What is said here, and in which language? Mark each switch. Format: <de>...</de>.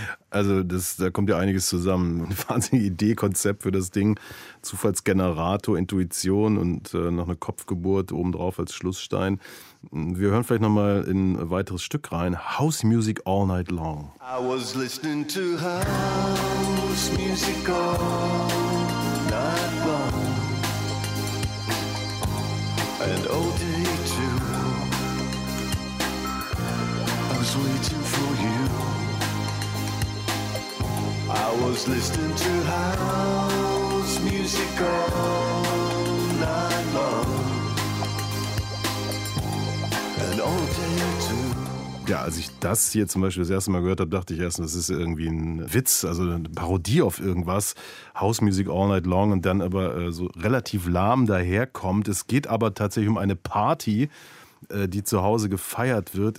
<de>Also das, da kommt ja einiges zusammen. Eine wahnsinnige Idee, Konzept für das Ding. Zufallsgenerator, Intuition und noch eine Kopfgeburt obendrauf als Schlussstein. Wir hören vielleicht nochmal in ein weiteres Stück rein.</de> <en>House Music All Night Long. I was listening to house music all night long. And all day too. I was waiting for you. I was listening to house music all night long. And all day too.</en> <de>Ja, als ich das hier zum Beispiel das erste Mal gehört habe, dachte ich erst, das ist irgendwie ein Witz, also eine Parodie auf irgendwas. House Music All Night Long und dann aber so relativ lahm daherkommt. Es geht aber tatsächlich um eine Party, die zu Hause gefeiert wird.</de>